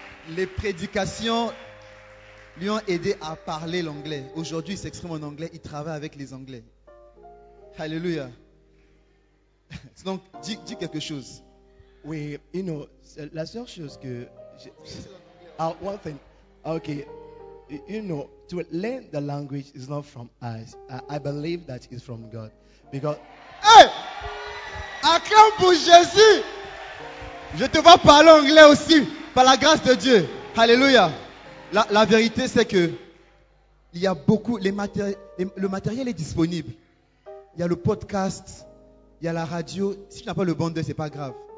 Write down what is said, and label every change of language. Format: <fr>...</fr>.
<fr>Les prédications lui ont aidé à parler l'anglais. Aujourd'hui, il s'exprime en anglais, il travaille avec les anglais. Hallelujah! Donc, dis quelque chose. Oui,</fr> <en>you know,</en> <fr>c'est la seule chose que.</fr> <en>One thing. Okay, you know, to learn the language is not from us. I believe that it's from God. Because...</en> <fr>Hey! Acclame pour Jésus! Je te vois parler anglais aussi, par la grâce de Dieu. Hallelujah! La vérité, c'est que il y a beaucoup... le matériel est disponible. Il y a le podcast, il y a la radio. Si tu n'as pas le bon deuil, ce n'est pas grave.</fr>